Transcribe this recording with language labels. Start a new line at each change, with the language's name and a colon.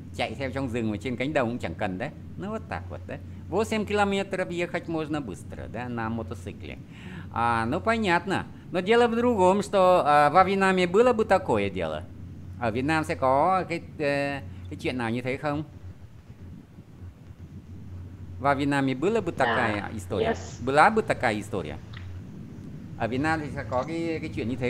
Vietnamese: Chạy theo trong rừng và trên cánh đồng cũng chẳng cần, да?
Russian: Ну вот так вот, да? 8 километров ехать можно быстро, да? На мотоцикле. Ну понятно. Но дело в другом, что во Вьетнаме было бы такое дело.
Vietnamese: Ở Việt Nam sẽ có cái chuyện nào như thế không?
Russian: Во Вьетнаме была бы такая история?
English: Yes.
Russian: Была бы такая история?
Vietnamese: Ở Việt Nam thì sẽ có cái chuyện như thế